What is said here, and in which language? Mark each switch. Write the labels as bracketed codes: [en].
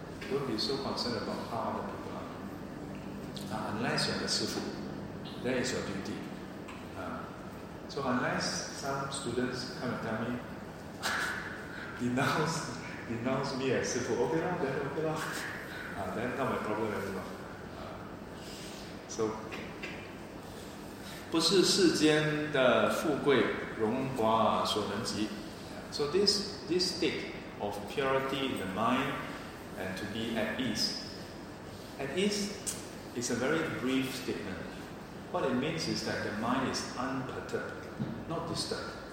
[en] Don't be so concerned about how other people are. Now, unless you're the sifu, that is your duty. So unless some students come and tell me, denounce me as sifu, okay lah, then not my problem anymore. [zh] So, 不是世间的富贵荣华所能及. [en] So this state of purity in the mind and to be at ease. At ease is a very brief statement. What it means is that the mind is unperturbed. Not disturbed.